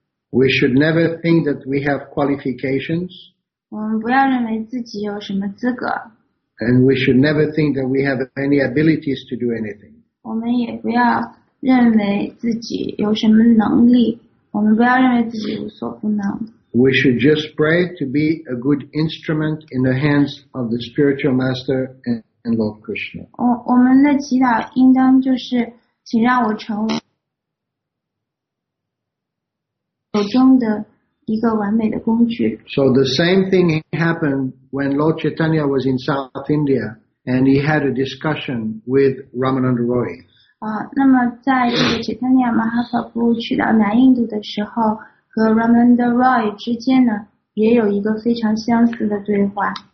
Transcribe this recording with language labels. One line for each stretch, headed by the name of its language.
English: We should never think that we have qualifications.
Chinese: 我们不要认为自己有什么资格。
English: And we should never think that we have any abilities to do anything.
Chinese: 我们也不要。认为自己有什么能力，我们不要认为自己无所不能。
English: We should just pray to be a good instrument in the hands of the spiritual master and Lord Krishna.
Chinese: 我们的祈祷应当就是，请让我成为手中的一个完美的工具。
English: So the same thing happened when Lord Chaitanya was in South India and he had a discussion with Ramananda Roy.
Chinese: 那么在这个切坦尼亚马哈普布去到南印度的时候，和 Ramananda Roy 之间呢，也有一个非常相似的对话。